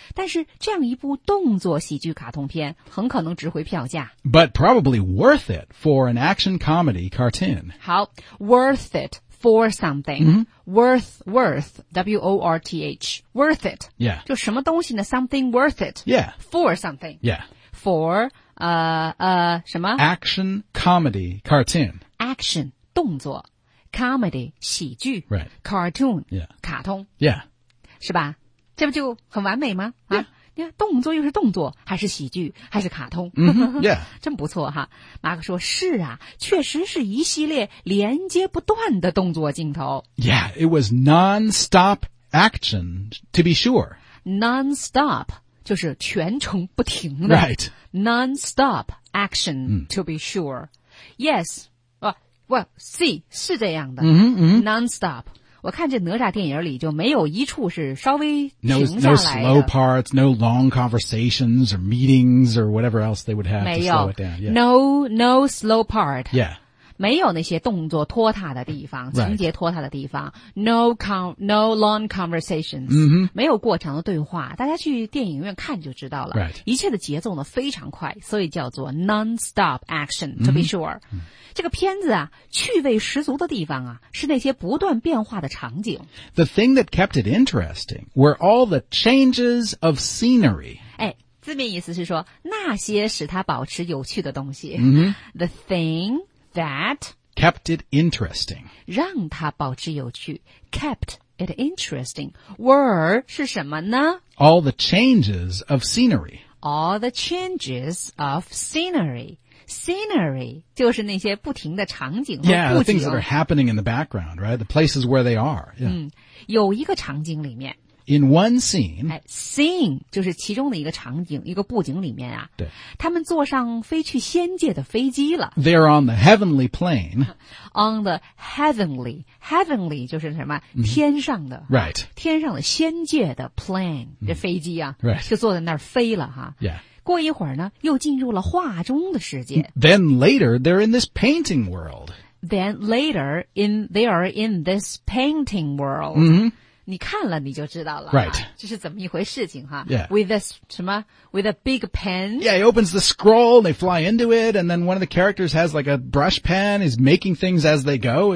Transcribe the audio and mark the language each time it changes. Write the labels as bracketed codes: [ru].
[zh] 但是这样一部动作喜剧卡通片很可能值回票价。 [en] But probably worth it for an action comedy cartoon. 好 ,worth it. For something,、worth, W-O-R-T-H, worth it. Yeah. [zh] 就什么东西呢 ? [en] something worth it. Yeah. For something. Yeah. For, 什么 ?Action, comedy, cartoon. Action, 动作 ,comedy, 喜剧 ,right. Cartoon, yeah. [zh] 卡通 [en] ,yeah. [zh] 是吧这不就很完美吗、 [en] yeah. [zh] 你看动作又是动作，还是喜剧，还是卡通。 [en] Mm-hmm. Yeah. [zh] 真不错哈。马克说是啊，确实是一系列连接不断的动作镜头。 [en] Yeah, it was non-stop action, to be sure. [zh] Non-stop, 就是全程不停的。 [en] Right. Non-stop action, to be sure. Yes. Well, see, [zh] 是这样的。 [en] Mm-hmm, mm-hmm. Non-stop. [zh] 我看这哪吒电影里就没有一处是稍微停下来的。 [en] No slow parts, no long conversations or meetings or whatever else they would have to slow it down. Yeah. No slow part. Yeah. [zh] 没有那些动作拖沓的地方，情节拖沓的地方。 [en] Right. No long conversations. Mm-hmm. [zh] 没有过长的对话，大家去电影院看就知道了。 [en] Right. [zh] 一切的节奏呢非常快，所以叫做 [en] non-stop action, to be sure. Mm-hmm. [zh] 这个片子啊，趣味十足的地方啊，是那些不断变化的场景。 [en] The thing that kept it interesting were all the changes of scenery. [zh] 哎，字面意思是说，那些使它保持有趣的东西。 [en] Mm-hmm. The thing that kept it interesting. [zh] 让它保持有趣。 [en] Kept it interesting. [zh] Were 是什么呢？ [en] All the changes of scenery. All the changes of scenery. [zh] Scenery 就是那些不停的场景和布景。 [en] Yeah, the things that are happening in the background, right? The places where they are. Yeah. [zh] 有一个场景里面。 [en] In one scene. [zh] Scene 就是其中的一个场景，一个布景里面啊。对。他们坐上飞去仙界的飞机了。 [en] They're on the heavenly plane. On the heavenly. Heavenly [zh] 就是什么、 [en] mm-hmm. [zh] 天上的。 [en] Right. [zh] 天上的仙界的 plane, 这飞机啊。 [en] Right. [zh] 就坐在那儿飞了哈。 [en] Yeah. [zh] 过一会儿呢又进入了画中的世界。 [en] Then later, they're in this painting world. Then later, they are in this painting world.、 Mm-hmm. [zh] 你看了你就知道了。 [en] Right. [zh] 这是怎么一回事情哈。 [en] Yeah. With this, 什么 ?With a big pen. Yeah, he opens the scroll, they fly into it, and then one of the characters has like a brush pen, is making things as they go.